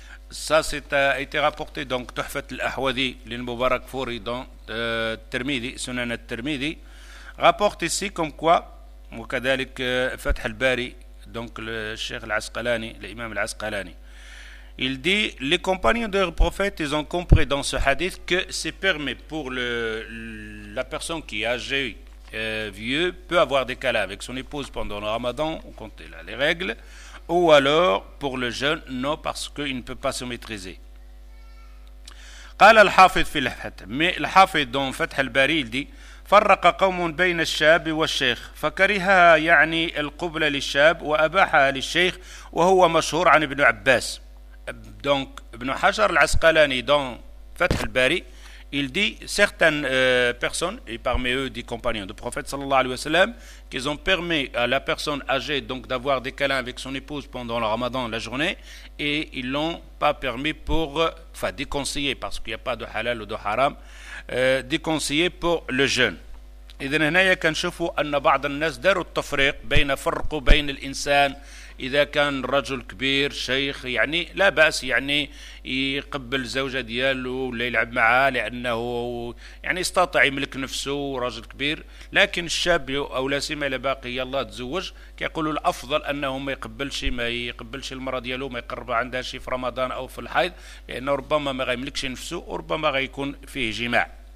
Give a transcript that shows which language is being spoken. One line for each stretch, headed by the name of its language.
French: ça c'est été rapporté donc Tuhfat al-Ahwadi l'Mubarak Fouri dans Tirmidhi Sunan al-Tirmidhi rapporte ici comme quoi ou كذلك Fath al-Bari donc le Cheikh al-Asqalani l'Imam al-Asqalani il dit les compagnons du prophète ils ont compris dans ce hadith que c'est permis pour la personne qui est âgée vieux peut avoir des câlins avec son épouse pendant le Ramadan ou quand elle a les règles. Ou alors, pour le jeune, non, parce qu'il ne peut pas se maîtriser.
Arabic: قال الحافظ في الفتح.
French: Mais le Hafid dans Fath al-Bari, il dit
Arabic: فرق قوم بين الشاب والشيخ فكرهها يعني القبلة للشاب وأباحها للشيخ وهو مشهور عن ابن عباس.
French: Donc, Ibn Hajar al-Asqalani dans Fath al-Bari, il dit certaines personnes, et parmi eux des compagnons du prophète sallallahu alayhi wa sallam, qu'ils ont permis à la personne âgée donc, d'avoir des câlins avec son épouse pendant le ramadan, la journée, et ils ne l'ont pas permis pour, enfin déconseillé, parce qu'il n'y a pas de halal ou de haram, déconseillé pour le jeûne. Et donc, il y a un chef qui a fait un peu de tafriq, bien un fork, bien l'insan.
Arabic: إذا كان رجل كبير شيخ يعني لا بأس يعني يقبل زوجة دياله ولا يلعب معاه لأنه يعني استطاع يملك نفسه رجل كبير لكن الشاب أو لا سيما إلى باقي يلا تزوج كيقولوا الأفضل أنه ما يقبلش المرأة دياله ما يقرب عندها شي في رمضان أو في الحيض لأنه ربما ما غيملكش نفسه وربما غيكون فيه جماع